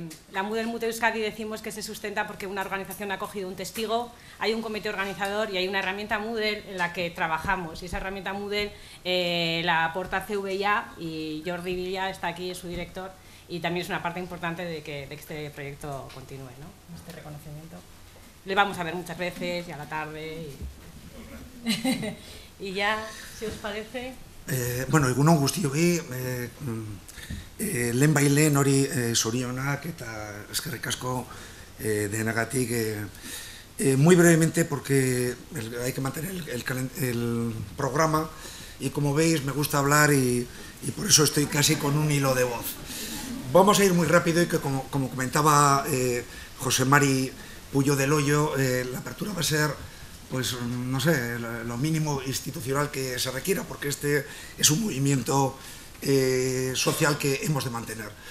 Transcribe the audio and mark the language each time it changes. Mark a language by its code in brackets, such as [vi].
[es] La Moodle Mute Euskadi decimos que se sustenta porque una organización ha cogido un testigo, hay un comité organizador y hay una herramienta Moodle en la que trabajamos y esa herramienta Moodle la aporta CVIA y Jordi Villa está aquí, es su director. Y también es una parte importante de que este proyecto continúe, ¿no? Este reconocimiento. Le vamos a ver muchas veces y a la tarde. Y ya, si os parece. [eu] Bueno, egun on guztioi, lehen bai lehen hori sorionak eta eskerrik asko denagatik. [es] Muy brevemente, porque hay que mantener el programa y como veis me gusta hablar y por eso estoy casi con un hilo de voz. Vamos a ir muy rápido y que como comentaba José Mari Puyo del Hoyo, la apertura va a ser, pues no sé, lo mínimo institucional que se requiera, porque este es un movimiento social que hemos de mantener.